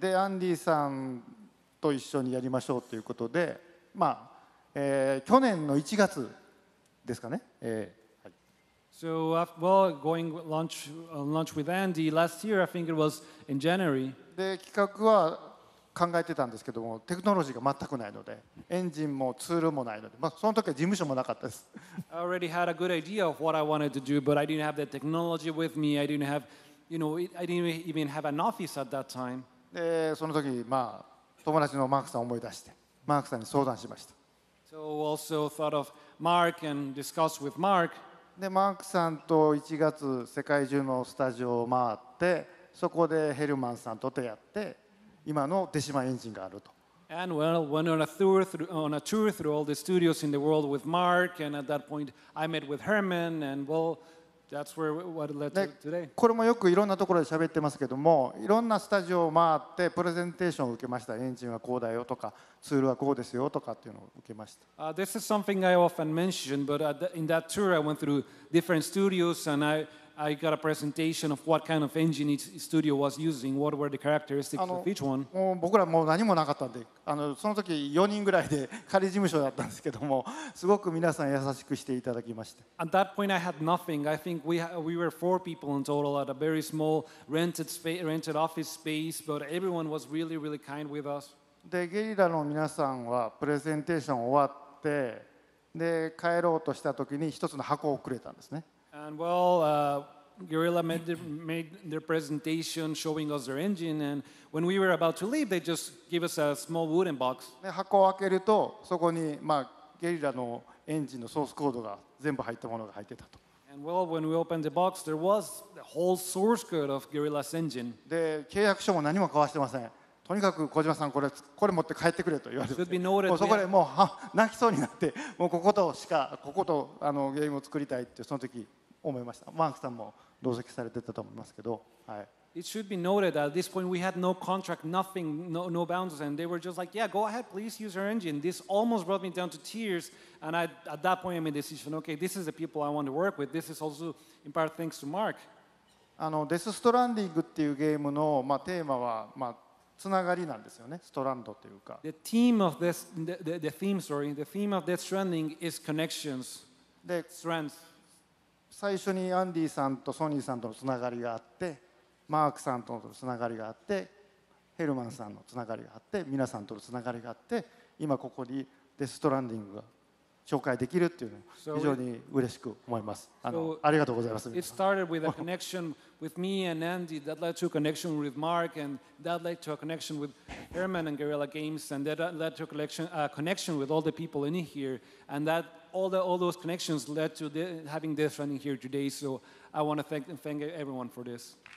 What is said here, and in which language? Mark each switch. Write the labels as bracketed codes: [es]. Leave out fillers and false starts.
[ja] で、アンディさんと一緒にやりましょうということで、まあ、去年の1月ですかね。 [en] So after, well, going lunch lunch with Andy last year, I think it was in January. [ja] で、企画は。考えてたんですけども、テクノロジーが全くないので、エンジンもツールもないので、まあ、その時は事務所もなかったです。 [en] I already had a good idea of what I wanted to do, but I didn't have the technology with me. I didn't have, you know, I didn't even have an office at that time. [ja] で、その時、まあ、友達のマークさんを思い出して、マークさんに相談しました。 [en] So also thought of Mark and discussed with Mark. [ja] で、マークさんと1月世界中のスタジオを回って、そこでヘルマンさんと出会って、今のデシマエンジンがあると。 [en] And well, went on a tour through all the studios in the world with Mark, and at that point I met with Herman, and well, That's where what led to today. [ja] これもよくいろんなところで喋ってますけども、いろんなスタジオを回ってプレゼンテーションを受けました。エンジンはこうだよとか、ツールはこうですよとかっていうのを受けました。 [en] This is something I often mention, but in that tour I went through different studios and I got a presentation of what kind of engine each studio was using, what were the characteristics of each one. [ja] もう僕らもう何もなかったんで、その時4人ぐらいで仮事務所だったんですけども、すごく皆さん優しくしていただきました。 [en] At that point I had nothing. I think we were four people in total at a very small rented office space, but everyone was really, really kind with us. [ja] で、ゲリラの皆さんはプレゼンテーション終わって、で、帰ろうとした時に一つの箱をくれたんですね。 [en] And well, Guerrilla made their presentation showing us their engine. And when we were about to leave, they just gave us a small wooden box. [ja] で、箱を開けると、そこに、まあ、ゲリラのエンジンのソースコードが全部入ったものが入ってたと。 [en] And well, when we opened the box, there was the whole source code of Guerrilla's engine. [ja] で、契約書も何も交わしてません。とにかく小島さんこれ持って帰ってくれと言われて、もうそこでもう泣きそうになって、もうこことゲームを作りたいってその時思いました。マークさんも同席されてたと思いますけど、はい。 [en] It should be noted that at this point we had no contract, nothing, no bounds, and they were just like, yeah, go ahead, please use your engine. This almost brought me down to tears, and I at that point I made a decision. Okay, this is the people I want to work with. This is also in part thanks to Mark. [ja] デスストランディングっていうゲームの、まあ、テーマは、まあつながりなんですよね、ストランドというか。 [en] The theme of this, the theme of Death Stranding is connections. [ja] で、 [en] strength. [ja] 最初にアンディさんとソニーさんとのつながりがあって、マークさんとのつながりがあって、ヘルマンさんのつながりがあって、皆さんとのつながりがあって、今ここにDeath Strandingが紹介できるっていうのを非常に嬉しく思います。ありがとうございます。 [en] It started with a connection with me and Andy that led to a connection with Mark and that led to a connection with Herman and Guerrilla Games and that led to a connection with all the people in here and that all those connections led to having this running here today. So I want to thank everyone for this.